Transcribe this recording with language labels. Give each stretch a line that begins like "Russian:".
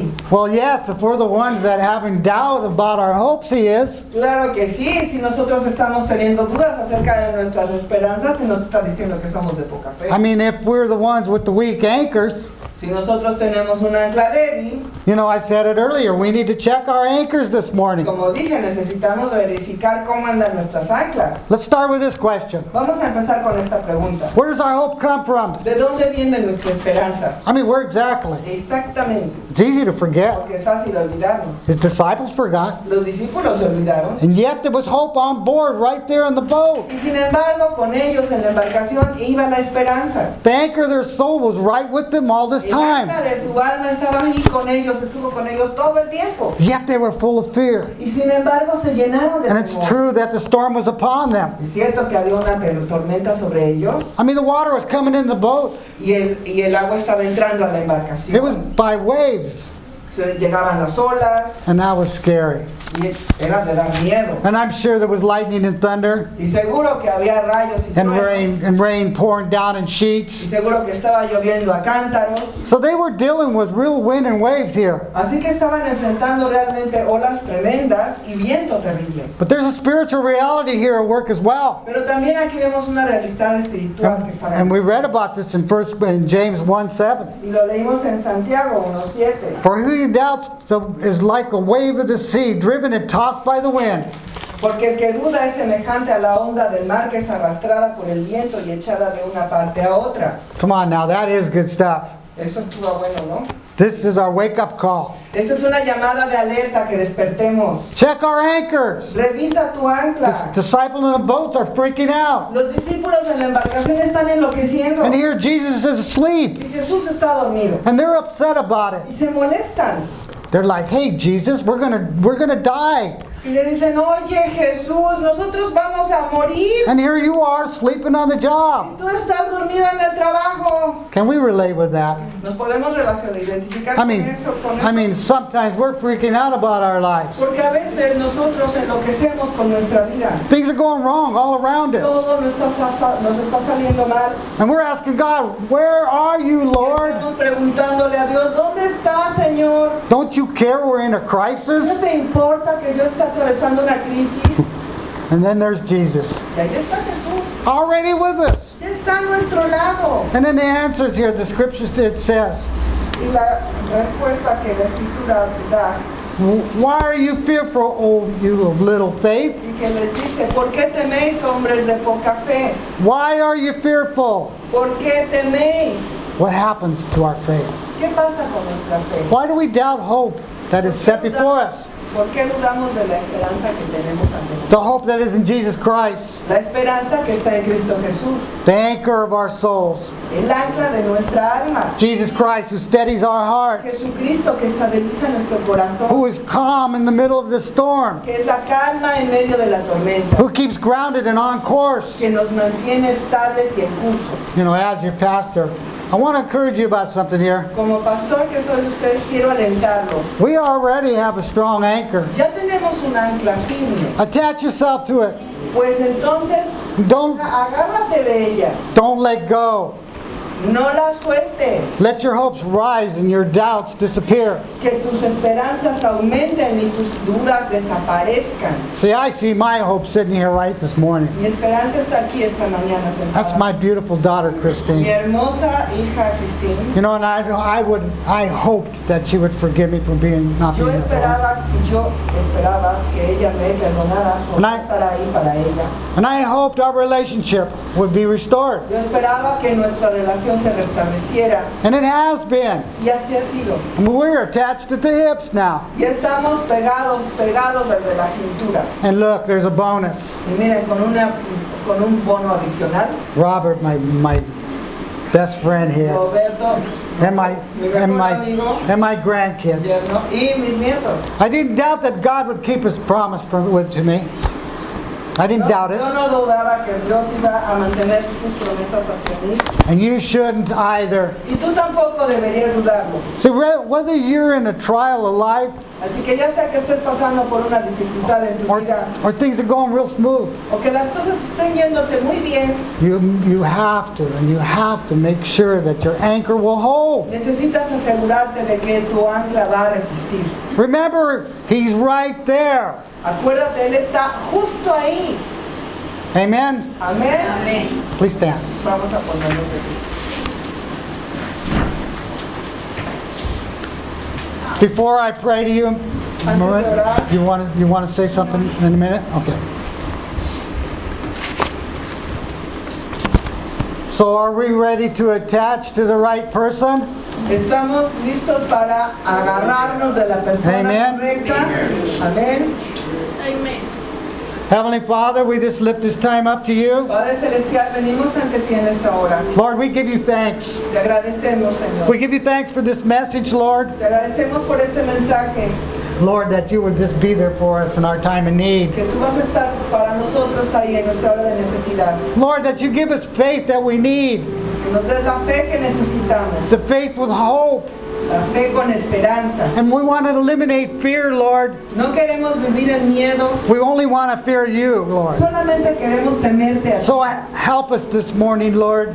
English: Well, yes, if we're the ones that are having doubt about our hopes, he is.
Spanish: Claro que sí, si nosotros estamos teniendo dudas acerca de nuestras esperanzas, y nos está diciendo que somos de poca fe.
English: I mean, if we're the ones with the weak anchors.
Spanish: Si nosotros tenemos una ancla débil.
English: You know, I said it earlier, we need to check our anchors this morning.
Spanish: Como dije, necesitamos verificar cómo andan nuestras anclas.
English: Let's start with this question.
Spanish: Vamos a empezar con esta pregunta.
English: Where does our hope come from?
Spanish: ¿De dónde viene nuestra esperanza? esperanza.
English: I mean, where exactly?
Spanish: Exactamente.
English: It's easy to forget.
Spanish: Porque es fácil olvidarnos.
English: His disciples forgot.
Spanish: Los discípulos se olvidaron.
English: And yet there was hope on board right there on the boat.
Spanish: Y sin embargo, con ellos en la embarcación iba la esperanza.
English: The anchor of their soul was right with them all this time.
Spanish: El ancla de su alma estaba ahí con ellos, estuvo con ellos todo el tiempo.
English: Yet they were full of fear.
Spanish: Y sin embargo, se llenaron de temor.
English: And it's true that the storm was upon them.
Spanish: Es cierto que había una tormenta sobre ellos.
English: I mean, the water was coming in the boat.
Spanish: Y el agua estaba entrando a la embarcación.
English: It was by waves.
Spanish: Se llegaban las olas.
English: And that was scary.
Spanish: Y era de dar miedo.
English: And I'm sure there was lightning and thunder.
Spanish: Y seguro que había rayos y
English: and rain, and rain pouring down in sheets.
Spanish: Y seguro que estaba lloviendo a cántaros.
English: So they were dealing with real wind and waves here.
Spanish: Así que estaban enfrentando realmente olas tremendas y viento terrible.
English: But there's a spiritual reality here at work as well.
Spanish: Pero también aquí vemos una realidad espiritual
English: and,
Spanish: que estaba.
English: And we read about this in James 1:7.
Spanish: Y lo leímos en Santiago 1:7.
English: Who doubts is like a wave of the sea, driven and tossed by the wind.
Spanish: Porque el que duda es semejante a la onda del mar que es arrastrada por el viento y echada de una parte a otra.
English: Come on now, that is good stuff.
Spanish: Eso estuvo bueno, ¿no?
English: This is our wake-up call.
Spanish: Esta es una llamada de alerta que despertemos.
English: Check our anchors.
Spanish: Revisa tu ancla.
English: The disciples in the boats are freaking out.
Spanish: Los discípulos en la embarcación están enloqueciendo.
English: And here Jesus is asleep.
Spanish: Y Jesús está dormido.
English: And they're upset about it.
Spanish: Y se molestan.
English: They're like, hey Jesus, we're gonna die.
Spanish: Y le dicen, oye Jesús, nosotros vamos a morir.
English: And here you are sleeping on the job.
Spanish: Y tú estás dormido en el trabajo.
English: Can we relate with that?
Spanish: Nos podemos relacionar, identificar con eso.
English: Sometimes we're freaking out about our lives.
Spanish: Porque a veces nosotros enloquecemos con nuestra vida.
English: Things are going wrong all around us.
Spanish: Todo nos está saliendo mal.
English: And we're asking God, where are you, Lord?
Spanish: Y estamos preguntándole a Dios, ¿dónde estás, Señor?
English: Don't you care we're in a crisis?
Spanish: ¿No te importa que yo esté atravesando una crisis?
English: And then there's Jesus.
Spanish: Y ahí está Jesús.
English: Already with us.
Spanish: Ya está a nuestro lado.
English: And then the answers here, the scriptures it says.
Spanish: Y la respuesta que la escritura da.
English: Why are you fearful, you of little faith?
Spanish: Y que les dice, ¿por qué teméis, hombres de poca fe?
English: Why are you fearful?
Spanish: ¿Por qué teméis?
English: What happens to our faith?
Spanish: ¿Qué pasa con nuestra fe?
English: Why do we doubt hope that is set before us?
Spanish: ¿Por qué dudamos de la esperanza que tenemos ante nosotros?
English: The hope that is in Jesus Christ.
Spanish: La esperanza que está en Cristo Jesús.
English: The anchor of our souls.
Spanish: El ancla de nuestra alma.
English: Jesus Christ who steadies our hearts.
Spanish: Jesucristo que estabiliza nuestro corazón.
English: Who is calm in the middle of the storm.
Spanish: Que es la calma en medio de la tormenta.
English: Who keeps grounded and on course.
Spanish: Que nos mantiene estables y en curso.
English: You know, as your pastor, I want to encourage you about something here.
Spanish: Como pastor que soy ustedes, quiero alentarlos.
English: We already have a strong anchor.
Spanish: Ya tenemos un ancla firme.
English: Attach yourself to it.
Spanish: Pues entonces, agárrate de ella.
English: Don't let go.
Spanish: No la sueltes.
English: Let your hopes rise and your doubts disappear.
Spanish: Que tus esperanzas aumenten y tus dudas desaparezcan.
English: See, I see my hope sitting here right this morning.
Spanish: Mi esperanza está aquí esta mañana sentada.
English: That's my beautiful daughter, Christine.
Spanish: Mi hermosa hija, Christine.
English: You know, and I hoped that she would forgive me for being not there.
Spanish: Yo esperaba que ella me perdonara por no estar ahí para ella.
English: And I hoped our relationship would be restored.
Spanish: Yo esperaba que nuestra relación se restableciera.
English: And it has been.
Spanish: Y así ha sido.
English: And we're attached at the hips now.
Spanish: Y estamos pegados desde la cintura.
English: And look, there's a bonus.
Spanish: Y miren, con un bono adicional.
English: Robert, my best friend here.
Spanish: Roberto.
English: And my grandkids.
Spanish: Y mis nietos.
English: I didn't doubt that God would keep his promise to me. I didn't doubt it.
Spanish: Yo no dudaba que Dios iba a mantener sus promesas hasta mí.
English: And you shouldn't either.
Spanish: Y tú tampoco deberías dudarlo.
English: See, whether you're in a trial of life,
Spanish: así que ya sea que estés pasando por una dificultad en tu vida,
English: or things are going real smooth,
Spanish: o que las cosas estén yéndote muy bien,
English: you have to make sure that your anchor will hold.
Spanish: Necesitas asegurarte de que tu ancla va a resistir.
English: Remember, he's right there.
Spanish: Acuérdate, él está justo ahí.
English: Amen.
Spanish: Amen.
English: Amen. Please stand.
Spanish: Vamos a ponernos de pie.
English: Before I pray to you, you want to say something in a minute? Okay. So are we ready to attach to the right person?
Spanish: Estamos listos para agarrarnos de la persona correcta.
English: Amen.
Spanish: Amen.
English: Heavenly Father, we just lift this time up to you.
Spanish: Padre Celestial, venimos ante ti en esta hora.
English: Lord, we give you thanks.
Spanish: Te agradecemos, Señor.
English: We give you thanks for this message, Lord.
Spanish: Te agradecemos por este mensaje.
English: Lord, that you would just be there for us in our time of need.
Spanish: Que tú vas a estar para nosotros ahí en nuestra hora de necesidad.
English: Lord, that you give us faith that we need.
Spanish: Que nos des la fe que necesitamos.
English: The faith with hope.
Spanish: La fe con esperanza.
English: And we want to eliminate fear, Lord.
Spanish: No queremos vivir en miedo.
English: We only want to fear you, Lord.
Spanish: Solamente queremos temerte a ti.
English: So help us this morning, Lord.